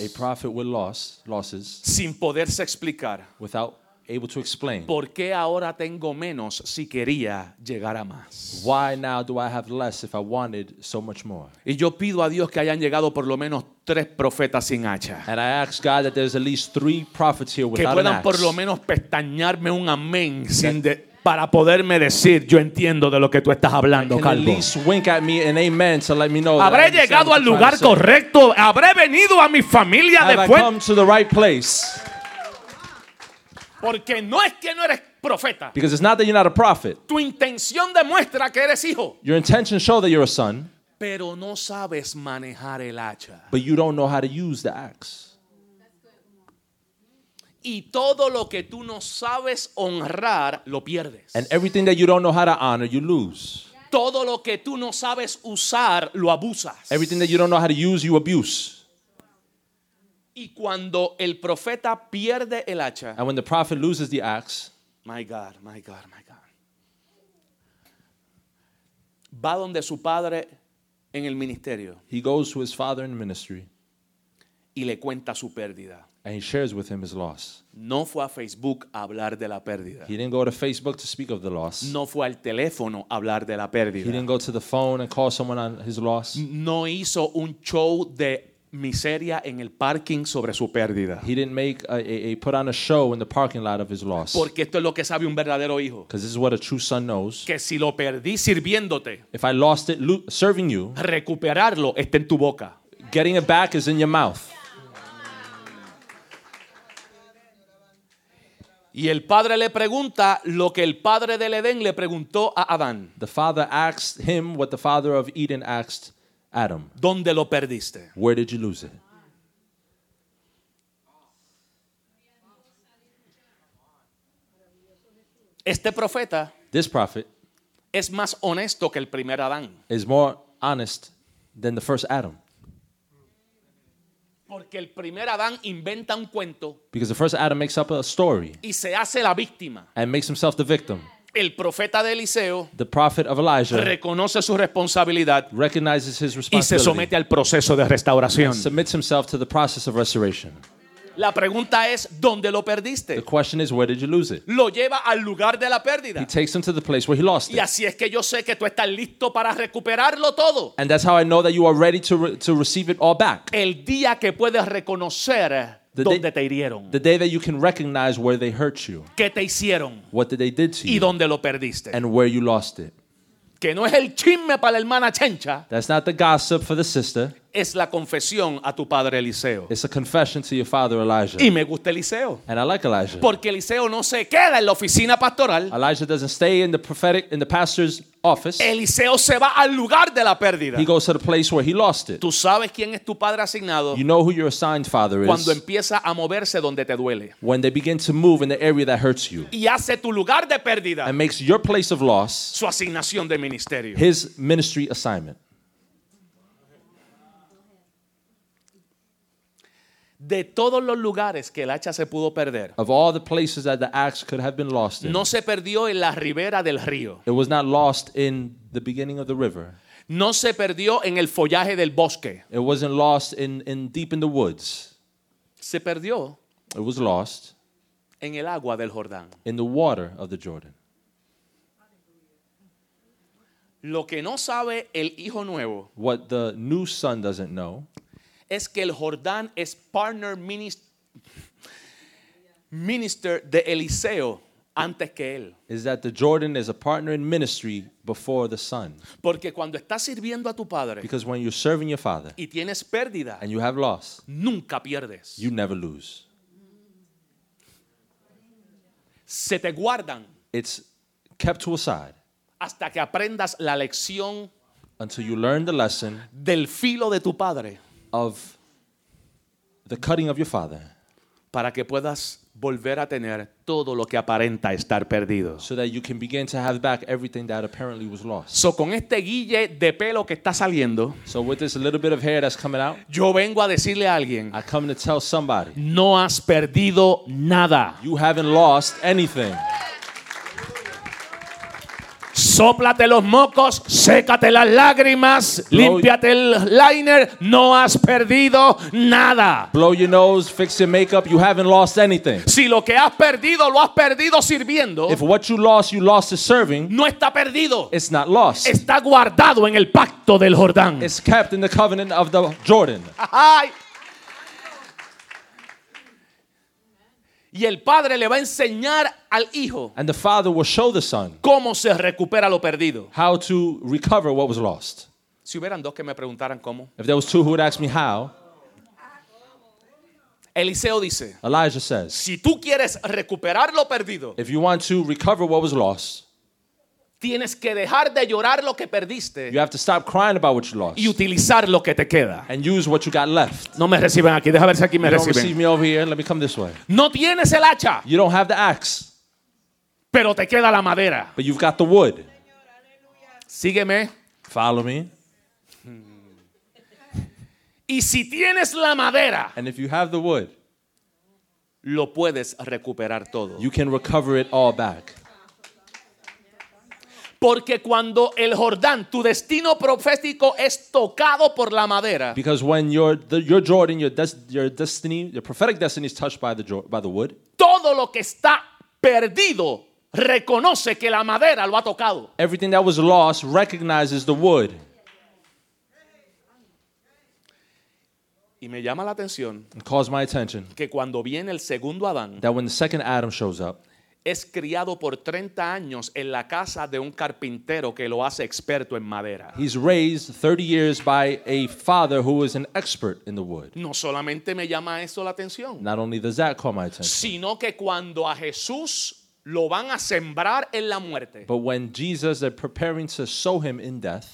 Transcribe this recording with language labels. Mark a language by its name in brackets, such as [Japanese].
[English] A prophet with losses. [Spanish] Sin poderse explicar. [English] Without able to explain. [Spanish] ¿Por qué ahora tengo menos si quería llegar a más? [English] Why now do I have less if I wanted so much more? [Spanish] Y yo pido a Dios que hayan llegado por lo menos tres profetas sin hacha. [English] And I ask God that there's at least three prophets here without an axe. [Spanish] Que puedan por lo menos pestañarme un amén sin de para poderme decir yo entiendo de lo que tú estás hablando, [English] can at least wink at me an amen to let me know. [Spanish] Habré llegado al lugar correcto. Habré venido a mi familia después. [English] Have I come to the right place? [Spanish] Porque no es que no eres profeta. [English] Because it's not that you're not a prophet. [Spanish] Tu intención demuestra que eres hijo. [English] Your intention shows that you're a son. [Spanish] Pero no sabes manejar el hacha. [English] But you don't know how to use the axe. [Spanish] Y todo lo que tú no sabes honrar, lo pierdes. [English] And everything that you don't know how to honor, you lose. [Spanish] Todo lo que tú no sabes usar, lo abusas. [English] Everything that you don't know how to use, you abuse. [Spanish] Y cuando el profeta pierde el hacha, [English] and when the prophet loses the axe, my God, my God, my God, [Spanish] va donde su padre en el ministerio. [English] He goes to his father in ministry. [Spanish] Y le cuenta su pérdida. [English] And he shares with him his loss. [Spanish] No fue a Facebook a hablar de la pérdida. [English] He didn't go to Facebook to speak of the loss. [Spanish] No fue al teléfono a hablar de la pérdida. [English] He didn't go to the phone and call someone on his loss. [Spanish] No hizo un show de miseria en el parking sobre su pérdida. [English] He didn't make a put on a show in the parking lot of his loss. [Spanish] Porque esto es lo que sabe un verdadero hijo. [English] Because this is what a true son knows. [Spanish] Que si lo perdí sirviéndote, [English] if I lost it serving you, [Spanish] recuperarlo está en tu boca. [English] Getting it back is in your mouth. [Spanish] Y el padre le pregunta lo que el padre del Edén le preguntó a Adán. [English] The father asked him what the father of Eden asked Adam. [Spanish] ¿Dónde lo perdiste? [English] Where did you lose it? [Spanish] Este profeta, [English] this prophet, [Spanish] es más honesto que el primer Adán. [English] Is more honest than the first Adam. [Spanish] Porque el primer Adán inventa un cuento. [English] Because the first Adam makes up a story. [Spanish] Y se hace la víctima. [English] And makes himself the victim. [Spanish] El profeta de Eliseo, [English] the prophet of Elijah, [Spanish] reconoce su responsabilidad, [English] recognizes his responsibility, [Spanish] y se somete al proceso de restauración. [English] He submits himself to the process of restoration. [Spanish] La pregunta es, ¿dónde lo perdiste? [English] The question is, where did you lose it? [Spanish] Lo lleva al lugar de la pérdida. [English] He takes him to the place where he lost it. [Spanish] Y así es que yo sé que tú estás listo para recuperarlo todo. [English] And that's how I know that you are ready to receive it all back. [Spanish] El día que puedes reconocer dónde te hirieron. [English] The day that you can recognize where they hurt you. [Spanish] ¿Qué te hicieron? [English] What did they did to you? [Spanish] ¿Y dónde lo perdiste? [English] And where you lost it. [Spanish] Que no es el chisme para la hermana Chencha. [English] That's not the gossip for the sister. [Spanish] Es la confesión a tu padre Eliseo. [English] It's a confession to your father Elijah. [Spanish] Y me gusta Eliseo. [English] And I like Elijah. [Spanish] Porque Eliseo no se queda en la oficina pastoral. [English] Elijah doesn't stay in the prophetic, in the pastor's office. [Spanish] Eliseo se va al lugar de la pérdida. [English] He goes to the place where he lost it. [Spanish] Tú sabes quién es tu padre asignado. [English] You know who your assigned father is. [Spanish] Cuando empieza a moverse donde te duele. [English] When they begin to move in the area that hurts you. [Spanish] Y hace tu lugar de pérdida. [English] And makes your place of loss. [Spanish] Su asignación de ministerio. [English] His ministry assignment. [Spanish] De todos los lugares que el hacha se pudo perder. [English] Of all the places that the axe could have been lost in. [Spanish] No se perdió en la ribera del río. [English] It was not lost in the beginning of the river. [Spanish] No se perdió en el follaje del bosque. [English] It wasn't lost in deep in the woods. [Spanish] Se perdió. [English] It was lost. [Spanish] En el agua del Jordán. [English] In the water of the Jordan. [Spanish] Lo que no sabe el hijo nuevo. [English] What the new son doesn't know. [Spanish] Es que el Jordán es [English] partner minister [Spanish] de Eliseo antes que él. [English] Is that the Jordan is a partner in ministry before the son. [Spanish] Porque cuando estás sirviendo a tu padre. [English] Because when you're serving your father. [Spanish] Y tienes pérdida. [English] And you have loss. [Spanish] Nunca pierdes. [English] You never lose. [Spanish] Se te guardan. [English] It's kept to a side. [Spanish] Hasta que aprendas la lección. [English] Until you learn the lesson. [Spanish] Del filo de tu padre. [English] Of the cutting of your father, [Spanish] para que puedas volver a tener todo lo que aparenta estar perdido, [English] so that you can begin to have back everything that apparently was lost. [Spanish] So con este guille de pelo que está saliendo, [English] so with this little bit of hair that's coming out, [Spanish] yo vengo a decirle a alguien, [English] I come to tell somebody, [Spanish] no has perdido nada, [English] you haven't lost anything. [Spanish] Sóplate los mocos, sécate las lágrimas, límpiate el liner, no has perdido nada. [English] Blow your nose, fix your makeup, you haven't lost anything. [Spanish] Si lo que has perdido, lo has perdido sirviendo. [English] If what you lost is serving. [Spanish] No está perdido. [English] It's not lost. [Spanish] Está guardado en el pacto del Jordán. [English] It's kept in the covenant of the Jordan. Ay. [Spanish] Y el padre le va a enseñar al hijo. [English] And the father will show the son. [Spanish] Cómo se recupera lo perdido. [English] How to recover what was lost. [Spanish] Si hubieran dos que me preguntaran cómo. [English] If there was two who would ask me how. [Spanish] Eliseo dice. [English] Elijah says. [Spanish] Si tú quieres recuperar lo perdido. [English] If you want to recover what was lost. [Spanish] Tienes que dejar de llorar lo que perdiste. [English] You have to stop crying about what you lost. [Spanish] Y utilizar lo que te queda. [English] And use what you got left. [Spanish] No me reciben aquí. Deja ver si aquí me reciben. [English] Don't receive me over here. Let me come this way. [Spanish] No tienes el hacha. [English] You don't have the axe. [Spanish] Pero te queda la madera. [English] But you've got the wood. [Spanish] Sígueme. [English] Follow me. [Spanish] Y si tienes la madera. [English] And if you have the wood. [Spanish] Lo puedes recuperar todo. [English] You can recover it all back. [Spanish] Porque cuando el Jordán, tu destino profético es tocado por la madera. [English] Because when your Jordan, your destiny, your prophetic destiny is touched by the wood. [Spanish] Todo lo que está perdido reconoce que la madera lo ha tocado. [English] Everything that was lost recognizes the wood. [Spanish] Y me llama la atención. [English] It caused my attention. [Spanish] Que cuando viene el segundo Adán. [English] That when the second Adam shows up. [Spanish] Es criado por 30 años en la casa de un carpintero que lo hace experto en madera. [English] He's raised 30 years by a father who is an expert in the wood. [Spanish] No solamente me llama eso la atención. [English] Not only does that call my attention. [Spanish] Sino que cuando a Jesús lo van a sembrar en la muerte. [English] But when Jesus is preparing to sow him in death.